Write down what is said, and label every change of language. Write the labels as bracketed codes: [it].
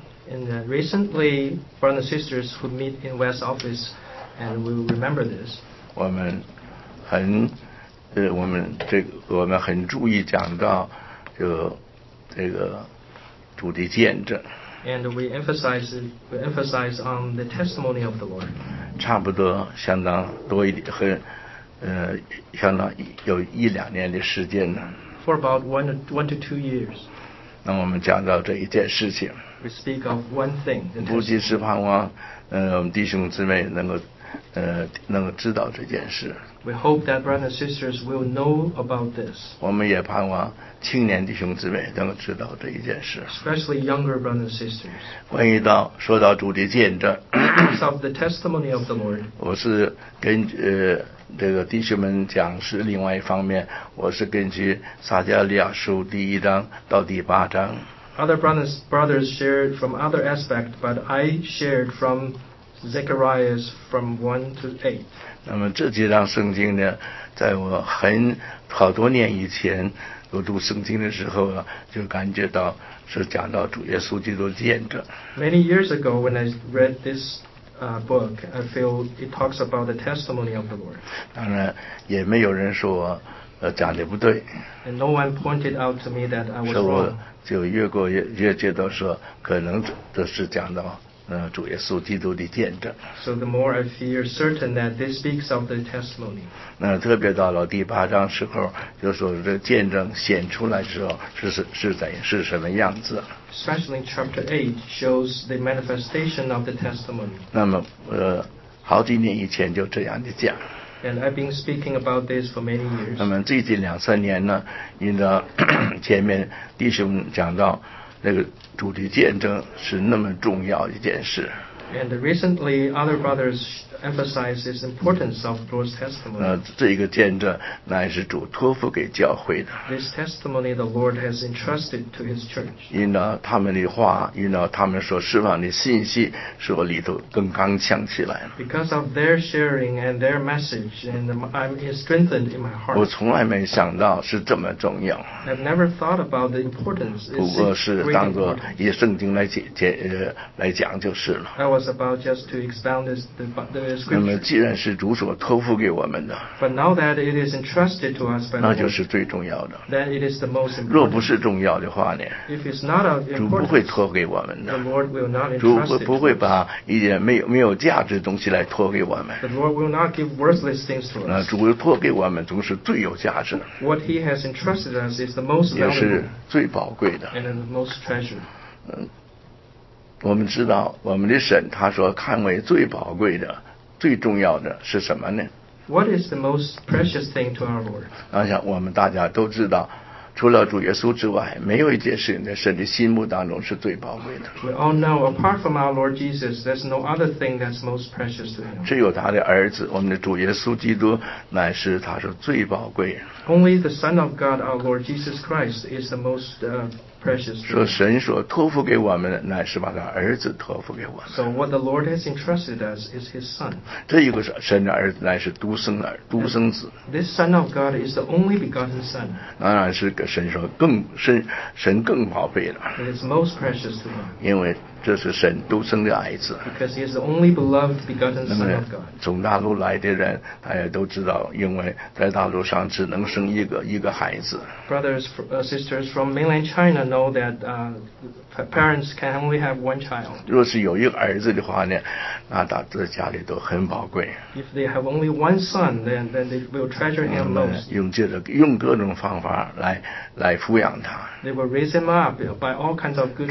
[en] And recently, brothers and sisters who meet in West Office, and we remember this. [zh] 我们很注意讲到这个主的见证。 [en] And we emphasize on the testimony of the Lord. [zh] 差不多相当多一点很。相当有一两年的时间呢。 [en] For about one to two years. [zh] 那我们讲到这一件事情。 [en] We speak of one thing. [zh] 不仅是盼望，我们弟兄姊妹能够知道这件事。 [en] We hope that brothers and sisters will know about this. [zh] 我们也盼望青年弟兄姊妹能够知道这一件事。 [en] Especially younger brothers and sisters. [zh] 关于到说到主的见证。 [en] Because of the testimony of the Lord. [zh] 我是根据。这个弟兄们讲是另外一方面，我是根据撒加利亚书第一章到第八章。 [en] Other brothers shared from other aspect, but I shared from Zechariah's from 1 to 8. [zh] 那么这几章圣经呢，在我很好多年以前我读圣经的时候啊，就感觉到是讲到主耶稣基督的见证。 [en] Many years ago when I read this. Book, I feel it talks about the testimony of the Lord. [zh] 当然，也没有人说，讲的不对。 [en] And no one pointed out to me that I was wrong. [zh] 所以我就越过越觉得说，可能这是讲到，主耶稣基督的见证。 [en] So the more I feel certain that this speaks of the testimony. [zh] 那特别到了第八章时候，就说这见证显出来之后是什么样子。 [en] Especially chapter 8 shows the manifestation of the testimony. [zh] 那么，好几年以前就这样的讲。 [en] And I've been speaking about this for many years. [zh] 那么最近两三年呢，因着前面弟兄讲到那个主的见证是那么重要一件事。 [en] And recently, other brothers emphasize this importance of Lord's testimony. [zh] 这一个见证乃是主托付给教会的。 [en] This testimony the Lord has entrusted to His church. [zh] 因着他们的话，因着他们所释放的信息，使我里头更刚强起来了。 [en] Because of their sharing and their message, and I'm strengthened in my heart. [zh] 我从来没想到是这么重要。 [en] I've never thought about the importance. [zh] 不过是当作以圣经来讲就是了。 [en] I was about just to expound the scripture. [zh] 那么既然是主所托付给我们的 [en] But now that it is entrusted to us by the [zh] Lord, 那就是最重要的 [en] Then it is the most important. [zh] 若不是重要的话呢 [en] If it's not of importance, [zh] 主不会托给我们的 [en] The Lord will not entrust it. [zh] 主不会把一点没有价值的东西来托给我们 [en] The Lord will not give worthless things to us. [zh] 那主托给我们主是最有价值的 [en] What he has entrusted us is the most valuable. [zh] 也是最宝贵的 [en] And the most treasured. [zh] 我们知道我们的神他说看为最宝贵的最重要的是什么呢 [en] What is the most precious thing to our Lord? [zh] 我想我们大家都知道除了主耶稣之外没有一件事情在神的心目当中是最宝贵的 [en] We all know apart from our Lord Jesus there's no other thing that's most precious to him [zh] 只有他的儿子我们的主耶稣基督乃是他说最宝贵 [en] Only the Son of God our Lord Jesus Christ is the most precious [zh] 说神所托付给我们的乃是把他儿子托付给我们 [en] So what the Lord has entrusted us is his son [zh] 这一个神的儿子乃是独生儿独生子 [en] This son of God is the only begotten son [zh] 当然是神说更 神更宝贝的 [en] It is most precious to him [zh] 因为这是神独生的儿子 [en] Because he is the only beloved begotten son of God [zh] 那么从大陆来的人大家都知道因为在大陆上只能生一个孩子 [en] Brothers sisters from mainland ChinaKnow that parents can only have one child. [zh] 若是有一个儿子的话呢，那他在家里都很宝贵。 [en] If they have only one son, then they will treasure him most. [zh] 用各种方法来抚养他。 [en] They will raise him up by all kinds of good.